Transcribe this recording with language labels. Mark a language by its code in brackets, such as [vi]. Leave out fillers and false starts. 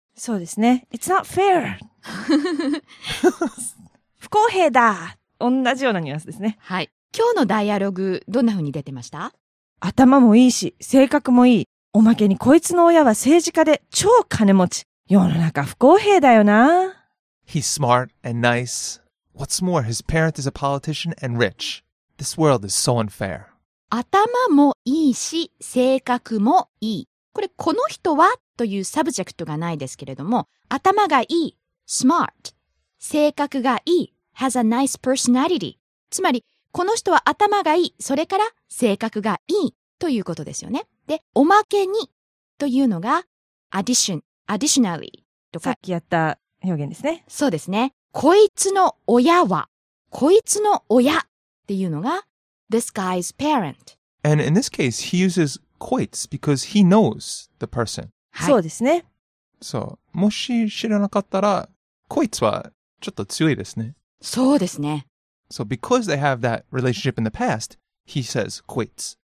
[ja] そうですね。 [en] It's not fair. [ja] 不公平だ。同じようなニュアンスですね。はい。今日のダイアログ、どんな風に出てました？頭もいいし、性格もいい。おまけにこいつの親は政治家で超金持ち。世の中不公平だよな。 [en] He's smart and nice. What's more, his parent is a politician and rich. This world is so unfair. [ja] 頭もいいし、性格もいい。これ、この人はというサブジェクトがないですけれども、頭がいい、smart、性格がいい、 [en] has a nice personality。 [ja] つまり、この人は頭がいい、それから性格がいいということですよね。で、おまけにというのが、addition、additionally とか。さっきやった表現ですね。そうですね。こいつの親は、こいつの親っていうのが、 [en] this guy's parent。 And in this case, he uses こいつ because he knows the person. [ja] はい、そうですね。そう。もし知らなかったら、こいつはちょっと強いですね。そうですね。 [en] So because they have that relationship in the past, he says こいつ。